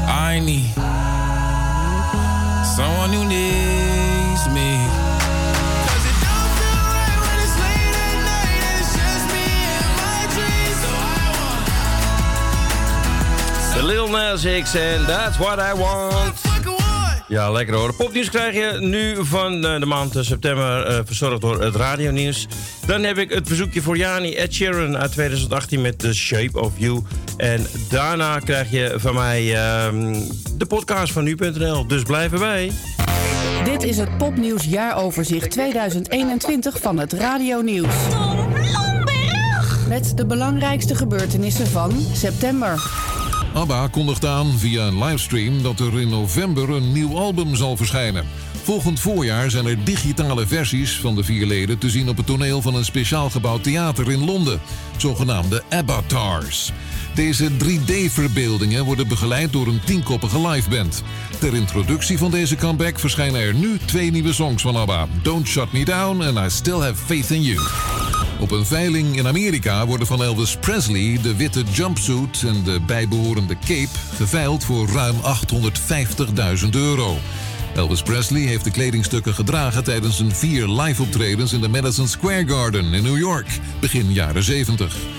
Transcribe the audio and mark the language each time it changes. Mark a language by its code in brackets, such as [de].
[en] I need someone who needs me. Cause it don't feel right when it's late at night and it's just me and my dreams. So I want the Lil Nas X and that's what I want. [nl] Ja, lekker hoor. Popnieuws krijg je nu van de maand september verzorgd door het radionieuws. Dan heb ik het verzoekje voor Jani Ed Sheeran uit 2018 met The Shape of You. En daarna krijg je van mij de podcast van nu.nl. Dus blijf erbij. Dit is het Popnieuws jaaroverzicht 2021 van het radionieuws. Met de belangrijkste gebeurtenissen van september. ABBA kondigt aan via een livestream dat er in november een nieuw album zal verschijnen. Volgend voorjaar zijn er digitale versies van de vier leden te zien op het toneel van een speciaal gebouwd theater in Londen, zogenaamde Abbatars. Deze 3D-verbeeldingen worden begeleid door een tienkoppige liveband. Ter introductie van deze comeback verschijnen er nu twee nieuwe songs van ABBA. [en] Don't Shut Me Down and I Still Have Faith in You. [nl] Op een veiling in Amerika worden van Elvis Presley de witte jumpsuit en de bijbehorende cape geveild voor ruim €850.000. Elvis Presley heeft de kledingstukken gedragen tijdens zijn vier live-optredens in de Madison Square Garden in New York, begin jaren 70.